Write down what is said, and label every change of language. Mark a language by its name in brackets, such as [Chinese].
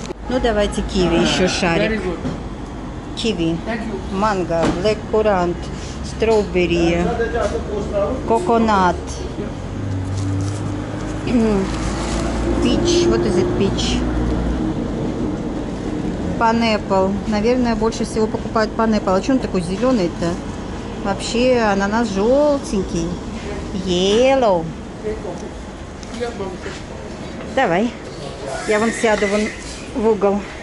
[Russian] Ну давайте киви еще шарик. Киви. Манго, black currant, strawberry, coconut, peach. [English] What is it peach? Pineapple. [Russian] Наверное, больше всего покупают pineapple. А что он такой зеленый-то? Вообще ананас желтенький. [English] Yellow. [Russian] Давай. Я вон сяду вон в угол.